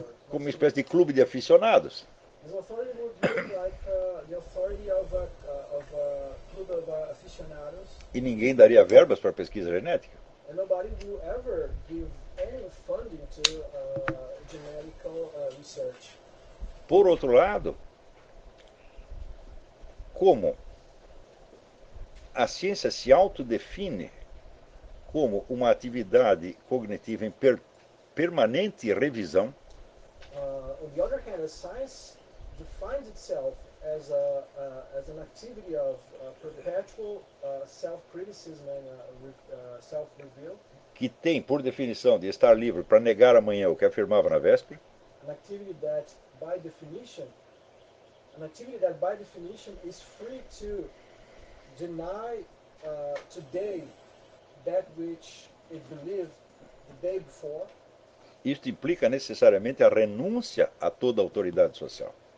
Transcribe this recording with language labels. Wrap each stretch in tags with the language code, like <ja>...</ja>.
<pt>Como uma espécie de clube de aficionados.</pt> <en>This authority would look like the authority of a club of aficionados.</en> <pt>E ninguém daria verbas para pesquisa genética.</pt> <en>And nobody will ever give any funding to genetic research.</en> <pt>Por outro lado, como a ciência se autodefine como uma atividade cognitiva em permanente revisão.</pt> <en>On the other hand, science defines itself as as an activity of perpetual self-criticism and self-reveal.</en> <pt>Que tem, por definição, de estar livre para negar amanhã o que afirmava na véspera.</pt> <en>An activity that, by definition, an activity that, by definition, is free to deny today that which it believed the day before.</en> <pt>Isto implica necessariamente a renúncia a toda autoridade social.</pt>